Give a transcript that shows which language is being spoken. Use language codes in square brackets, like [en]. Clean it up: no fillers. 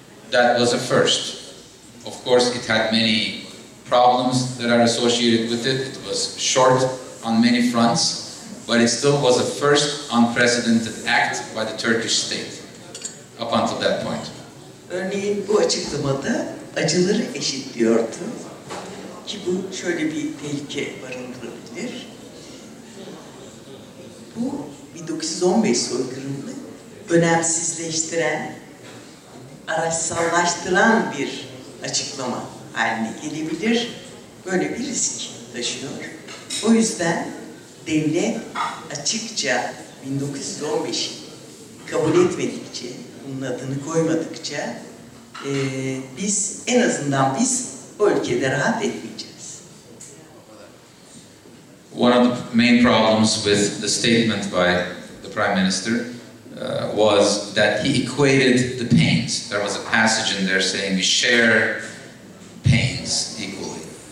[en] That was a first. Of course, it had many problems that are associated with it. It was short on many fronts, but it still was a first unprecedented act by the Turkish state up until that point. [tr] Örneğin bu açıklamada acıları eşitliyordu ki bu şöyle bir tehlike barındırabilir. Bu 1915 soykırımını önemsizleştiren, araçsallaştıran bir açıklama haline gelebilir. Böyle bir risk taşıyor. O yüzden devlet açıkça 1915'i kabul etmedikçe, bunun adını koymadıkça biz en azından biz bu ülkede rahat etmeyeceğiz. [en] One of the main problems with the statement by the Prime Minister was that he equated the pains. There was a passage in there saying we share pains equally.